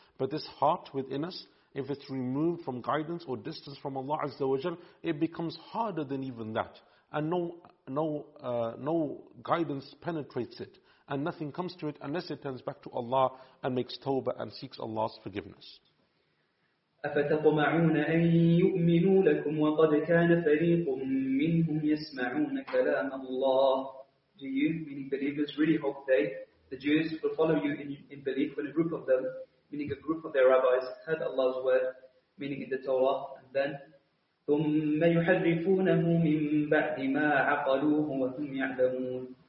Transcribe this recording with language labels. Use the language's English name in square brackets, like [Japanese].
[English] But this heart within us, if it's removed from guidance or distance from Allah Azza wa Jal, it becomes harder than even that. And no guidance penetrates it. And nothing comes to it unless it turns back to Allah and makes tawbah and seeks Allah's forgiveness. [Arabic] أفتطمعون أن يؤمنوا لكم وقد كان فريق منهم يسمعون كلام الله. [English] Do you, meaning believers, really hope they, the Jews, will follow you in belief when a group of them, meaning a group of their rabbis, heard Allah's word, meaning in the Torah, and then [Arabic] ثم يحرفونه من بعد ما عقلوه وهم يعلمون.